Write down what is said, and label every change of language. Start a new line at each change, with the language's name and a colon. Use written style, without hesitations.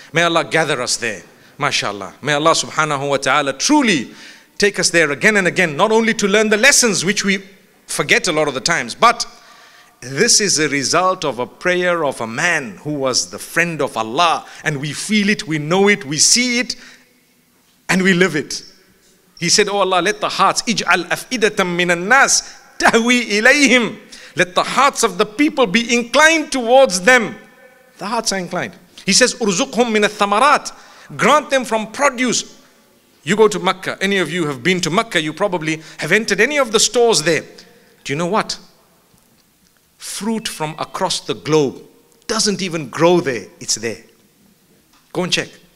English: May Allah gather us there. MashaAllah. May Allah subhanahu wa ta'ala truly take us there again and again, not only to learn the lessons, which we forget a lot of the times, but this is a result of a prayer of a man who was the friend of Allah, and we feel it, we know it, we see it, and we live it. He said, oh Allah, let the hearts,
Arabic: اجعل أفئدة من الناس تهوي إليهم.
English: Let the hearts of the people be inclined towards them. The hearts are inclined. He says,
Arabic: ارزقهم من الثمرات.
English: Grant them from produce. You go to Mecca. Any of you have been to Mecca, you probably have entered any of the stores there. Do you know what? Fruit from across the globe doesn't even grow there. It's there. Go and check.